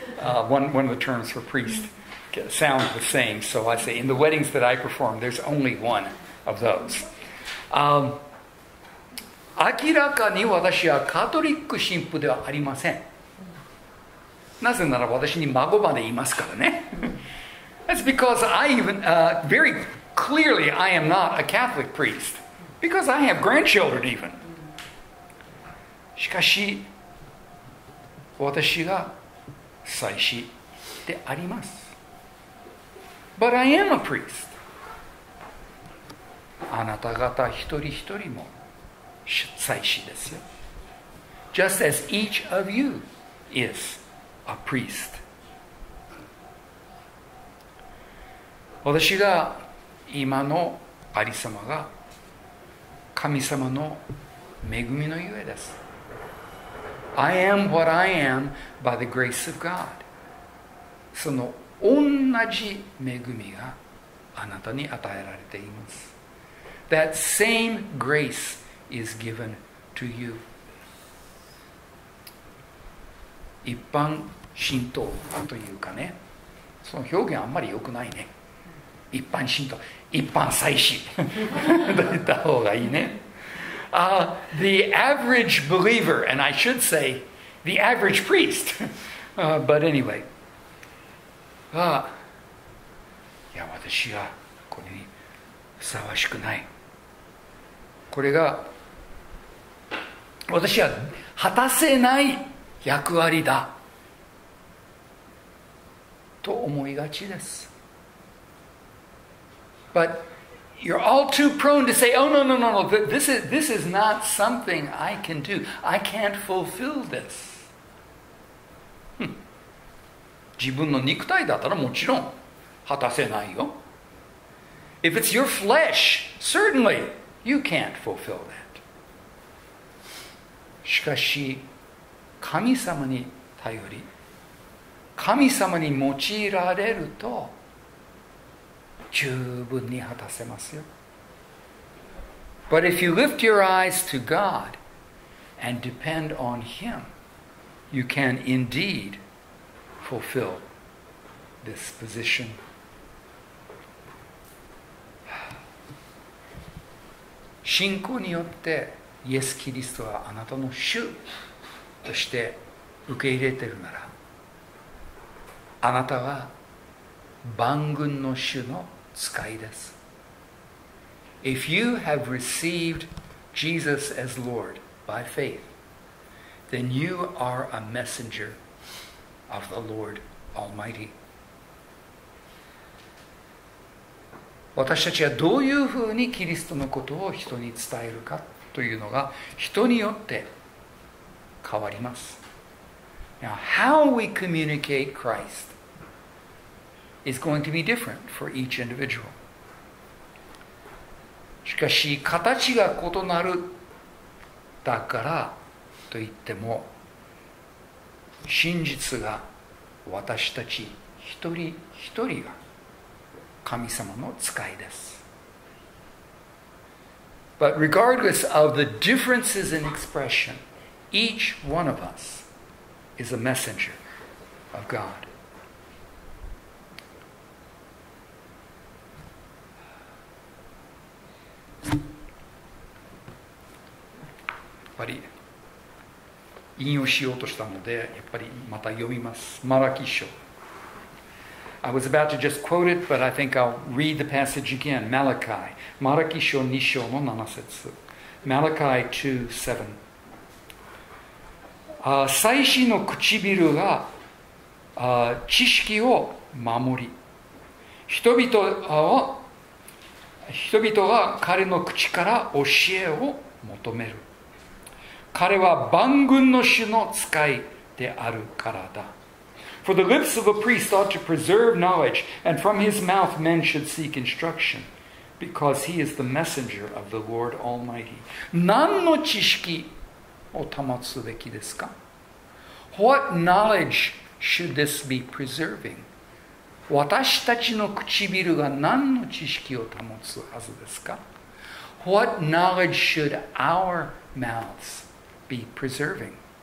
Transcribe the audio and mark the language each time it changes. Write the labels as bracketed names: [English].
[English] One of the terms for priest sound the same. So I say, in the weddings that I perform, there's only one of those. [Japanese] 明らかに私はカトリック神父ではありません。なぜなら私に孫までいますからね。 [English] That's because I even, very clearly I am not a Catholic priest. Because I have grandchildren even. [Japanese] しかし、私が祭司であります。 [English] But I am a priest. [Japanese] あなた方一人一人も祭司ですよ。 [English] Just as each of you is a priest. [Japanese] 私が今のありさまが神様の恵みのゆえです。 [English] I am what I am by the grace of God. [Japanese] その同じ恵みがあなたに与えられています。 [English] That same grace is given to you. [Japanese] 一般信徒というかね、その表現あんまり良くないね。一般信徒、一般祭司と言った方がいいね。 [English] The average believer, and I should say the average priest, but anyway, [Japanese] いや私はこれにふさわしくない。これが私は果たせない役割だと思いがちです。 [English] But you're all too prone to say, oh, no, this is not something I can do. I can't fulfill this. [Japanese] 自分の肉体だったらもちろん果たせないよ。 [English] If it's your flesh, certainly you can't fulfill that. [Japanese] しかし、神様に頼り、神様に用いられると、十分に果たせますよ。 [English] But if you lift your eyes to God and depend on Him, you can indeed fulfill this position. [Japanese] によってイエス・キリストはあなたの主として受け入れているなら、あなたは万軍の主の使いです。 [English] If you have received Jesus as Lord by faith, then you are a messenger of the Lord Almighty. [Japanese] 私たちはどういうふうにキリストのことを人に伝えるかというのが人によって変わります。 [English] Now, how we communicate Christ is going to be different for each individual. [Japanese] しかし形が異なるだからといっても真実が私たち一人一人が神様の使いです。 [English] But regardless of the differences in expression, each one of us is a messenger of God. [Japanese] やっぱり引用しようとしたので、やっぱりまた読みます。マラキ書。 [English] I was about to just quote it, but I think I'll read the passage again. [Japanese] Malachi. マラキ書2章の7節。Malachi 2:7. 祭司の唇が知識を守り、人々は彼の口から教えを求める。彼は万軍の主の使いであるからだ。 [English] For the lips of a priest ought to preserve knowledge, and from his mouth men should seek instruction, because he is the messenger of the Lord Almighty. [Japanese] 何の知識を保つべきですか? [English] What knowledge should this be preserving? [Japanese] 私たちの唇が何の知識を保つはずですか? [English] What knowledge should our mouths be preserving?